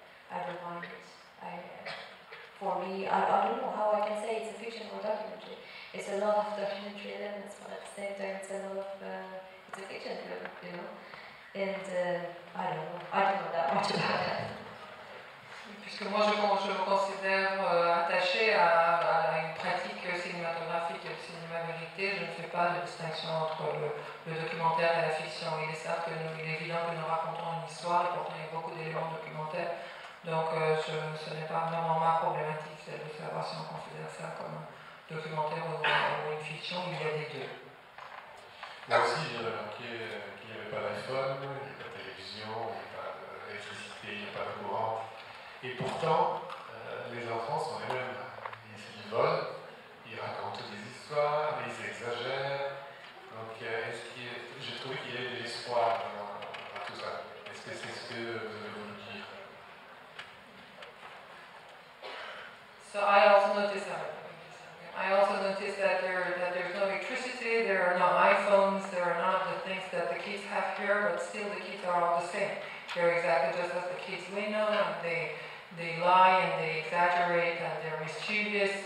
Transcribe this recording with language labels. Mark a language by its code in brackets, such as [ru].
[en] I don't mind it. For me, I don't know how I can say it's a fiction or documentary. It's a lot of documentary elements, but at the same time, it's a lot of it's a fiction film, you know. And I don't know that much about it. [fr] Puisque moi je me considère attaché à une pratique cinématographique et le cinéma vérité, je ne fais pas de distinction entre le documentaire et la fiction. Il est certes évident que nous racontons une histoire et pourtant il y a beaucoup d'éléments documentaires, donc ce n'est pas vraiment ma problématique, c'est de savoir si on considère ça comme un documentaire ou une fiction, il y a des deux. Là aussi, j'ai remarqué qu'il n'y avait pas d'iPhone, il n'y avait pas de télévision, il n'y avait pas d'électricité, il n'y a pas de courant. Et pourtant, les enfants sont les mêmes. Ils s'y volent, ils racontent des histoires, mais ils exagèrent. Donc, j'ai trouvé qu'il y avait de l'espoir dans tout ça. Est-ce que c'est ce que vous voulez nous dire? [en] So I also noticed that. I also noticed that there's no electricity, there are no iPhones, there are none of the things that the kids have here, but still the kids are all the same. They're exactly just as the kids we know, and they lie and they exaggerate and they're mischievous.